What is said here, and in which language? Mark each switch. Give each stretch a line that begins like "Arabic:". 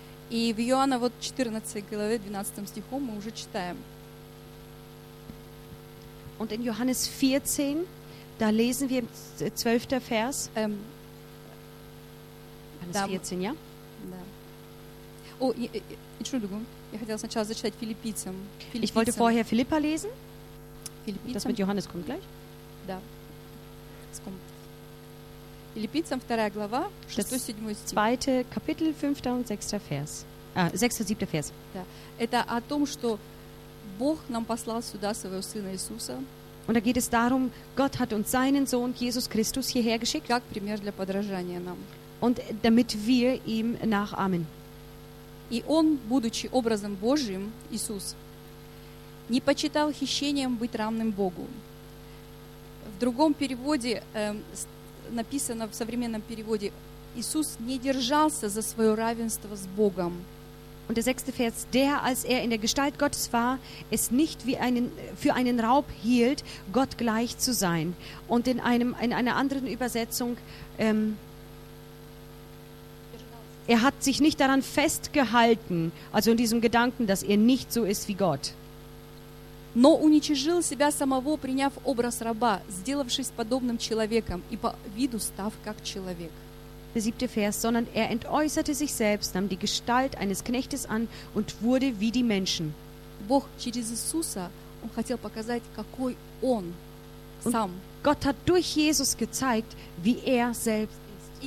Russian: И в Иоанна вот 14 главе 12 стиху мы уже читаем.
German: Und in Johannes 14, da lesen wir 12. Vers. Johannes 14, ja?
Russian: Да. О,
German: Entschuldigung,
Russian: я хотела сначала зачитать Филиппийцам.
German: Ich wollte vorher Philippa lesen. Das mit Johannes kommt gleich.
Russian: Да.
German: Es kommt.
Russian: Филиппийцам 2 глава, 6-7 стих.
German: 2. Kapitel, 5. und 6. Vers. 6-7. Vers.
Russian: Да. Это о том, что Бог нам послал сюда своего сына Иисуса.
German: Und da geht es darum, Gott hat uns seinen Sohn Jesus Christus hierher geschickt.
Russian: Как пример для подражания нам.
German: Und damit wir ihm nachahmen.
Russian: И он, будучи образом Божьим, Иисус, не почитал хищением быть равным Богу. В другом переводе написано в современном переводе: Иисус не держался за свое равенство с Богом.
German: Und der sechste Vers: Der, als er in der Gestalt Gottes war, es nicht wie einen für einen Raub hielt, Gott gleich zu sein. Und in einem in einer anderen Übersetzung er hat sich nicht daran festgehalten, also in diesem Gedanken, dass er nicht so ist wie Gott.
Russian: Но уничижил себя самого, приняв образ раба, сделавшись подобным человеком и по виду став как человек.
German: Der siebte Vers, sondern er entäußerte sich selbst, nahm die Gestalt eines Knechtes an und wurde wie die Menschen.
Russian: Бог через Иисуса, он хотел показать, какой он сам.
German: Gott hat durch Jesus gezeigt, wie er selbst ist.